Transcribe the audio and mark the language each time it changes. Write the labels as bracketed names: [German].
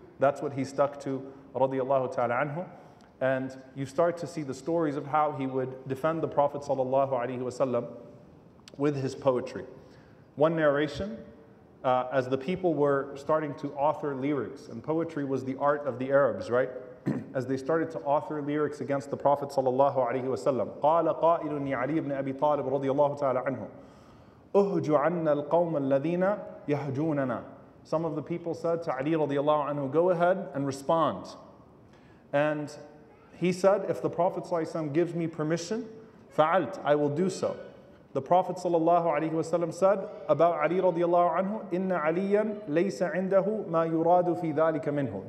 [English] That's what he stuck to radiallahu ta'ala anhu. And you start to see the stories of how he would defend the Prophet sallallahu alayhi wasallam with his poetry. One narration, as the people were starting to author lyrics, and poetry was the art of the Arabs, right? As they started to author lyrics against the Prophet sallallahu alaihi wasallam, [Arabic] قال قائل لي علي بن أبي طالب رضي الله تعالى عنه أهج عنا القوم الذين يهجوننا. [English] Some of the people said to Ali رضي الله عنه, go ahead and respond. And he said, if the Prophet sallallahu alaihi wasallam gives me permission, [Arabic] فعلت, [English] I will do so. The Prophet sallallahu alaihi wasallam said about Ali radiallahu anhu, [Arabic] "Inna Aliyan laysa indahu ma yuradu fi dhalika minhu."